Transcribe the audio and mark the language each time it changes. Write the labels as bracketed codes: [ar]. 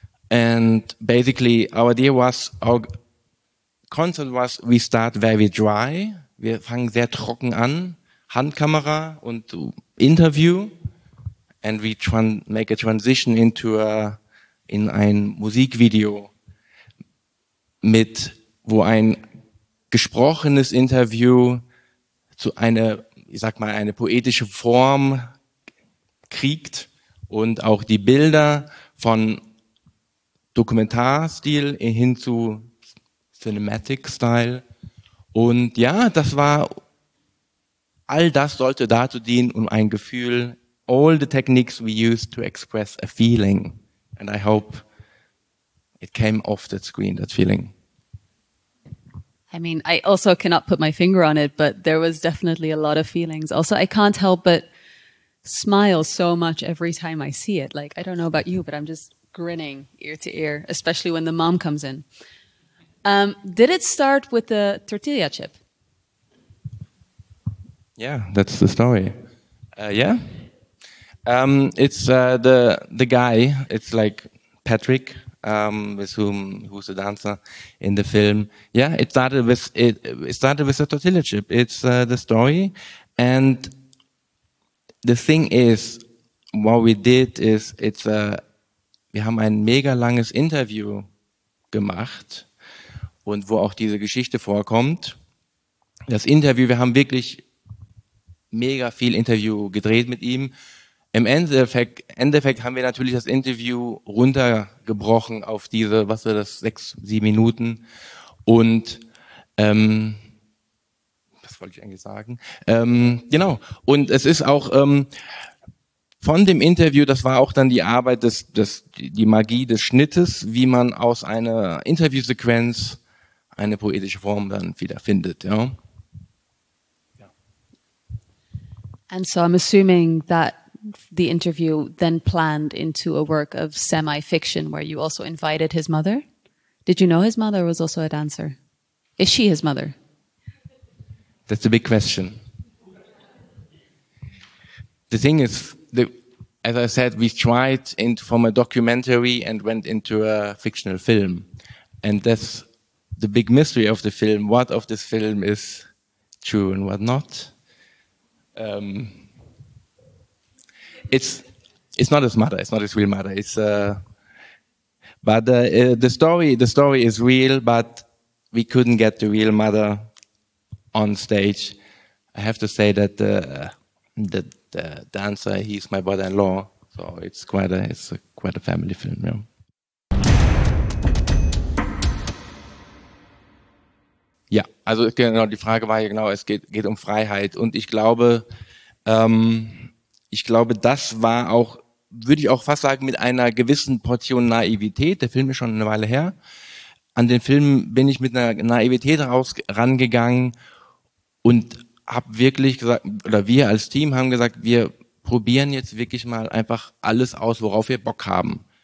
[en] And basically, our idea was, our concept was, we start very dry. [de] Wir fangen sehr trocken an, Handkamera und Interview. [en] And we make a transition in [de] ein Musikvideo mit, wo ein gesprochenes Interview zu einer, ich sag mal, eine poetische Form kriegt und auch die Bilder von Dokumentarstil hin zu Cinematic Style. Und ja, das war, all das sollte dazu dienen, um ein Gefühl, [en] all the techniques we use to express a feeling. And I hope it came off that screen, that feeling. I mean, I also cannot put my finger on it, but there was definitely a lot of feelings. Also, I can't help but smile so much every time I see it. Like, I don't know about you, but I'm just grinning ear to ear, especially when the mom comes in. Did it start with the tortilla chip? Yeah, that's the story. Yeah. It's the guy, it's like Patrick, who's the dancer in the film. Yeah, it started with a tortilla chip. It's the story. And the thing is, what we did is, [de] wir haben ein mega langes Interview gemacht und wo auch diese Geschichte vorkommt. Das Interview, wir haben wirklich mega viel Interview gedreht mit ihm. Im Endeffekt haben wir natürlich das Interview runtergebrochen auf diese, was war das, 6-7 Minuten. Und was wollte ich eigentlich sagen? Genau. Und es ist auch von dem Interview, das war auch dann die Arbeit die Magie des Schnittes, wie man aus einer Interviewsequenz eine poetische Form dann wieder findet, ja. [en] And so I'm assuming that the interview then planned into a work of semi-fiction where you also invited his mother. Did you know his mother was also a dancer? Is she his mother? That's a big question. The thing is, as I said, we tried from a documentary and went into a fictional film. And that's the big mystery of the film. What of this film is true and what not? It's not his mother. It's not his real mother. The story is real, but we couldn't get the real mother on stage. I have to say that the dancer, he's my brother-in-law, so it's quite a family film. Yeah. [de] Ja, also genau, die Frage war ja genau, es geht um Freiheit, und ich glaube, ich glaube, das war auch, würde ich auch fast sagen, mit einer gewissen Portion Naivität, der Film ist schon eine Weile her, an den Film bin ich mit einer Naivität rangegangen und habe wirklich gesagt, oder wir als Team haben gesagt, wir probieren jetzt wirklich mal einfach alles aus, worauf wir Bock haben.